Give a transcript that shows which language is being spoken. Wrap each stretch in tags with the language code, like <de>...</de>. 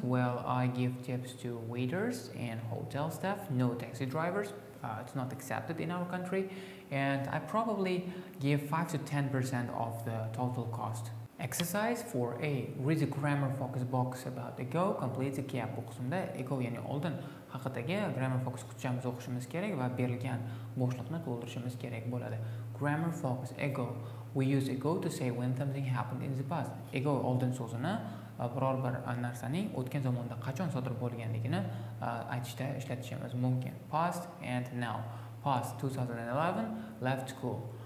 <en>Well, I give tips to waiters and hotel staff, no taxi drivers. It's not accepted in our country. And I probably give 5 to 10% of the total cost. Exercise 4A. Read the grammar focus box about ago. Complete the gap.</en> <uz>Bu qismda ago, ya'ni oldin haqidagi grammar focus qutchamizni o'qishimiz kerak va berilgan bo'shliqni to'ldirishimiz kerak bo'ladi.</uz> <en>Grammar focus ago. We use ago to say when something happened in the past.</en> <uz>Ago oldin so'zini biror bir narsaning o'tgan zamonda qachon sodir bo'lganligini aytishda ishlatishimiz mumkin.</uz> <en>Past and now. Past 2011, left school.</en>